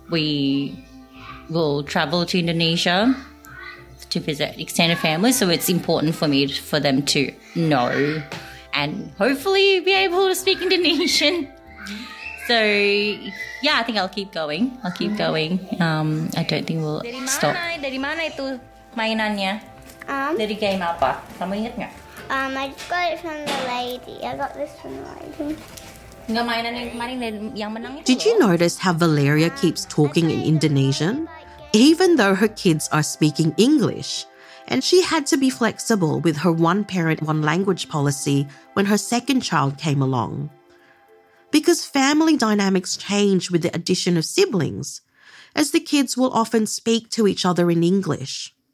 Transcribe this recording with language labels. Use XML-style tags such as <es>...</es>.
<en>We will travel to Indonesia to visit extended family. So it's important for me for them to know and hopefully be able to speak Indonesian. So, yeah, I think I'll keep going. I don't think we'll stop.</en> <id>Dari mana itu mainannya? Dari game apa? Kamu ingat nggak?</id> <en>I got it from the lady. I got this from the lady.</en> <id>Nggak mainan yang kemarin yang menang itu.</id> <en>Did you notice how Valeria keeps talking in Indonesian? Even though her kids are speaking English. And she had to be flexible with her one parent, one language policy when her second child came along. Because family dynamics change with the addition of siblings, as the kids will often speak to each other in English.</en>